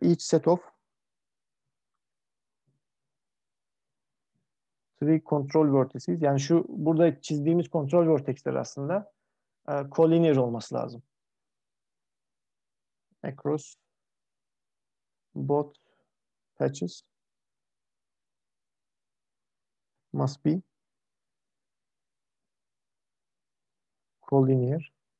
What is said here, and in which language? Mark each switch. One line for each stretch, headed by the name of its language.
English: Each set of three control vertices.
Turkish: Yani şu burada çizdiğimiz kontrol vertexler aslında collinear olması lazım.
English: Across both patches must be collinear.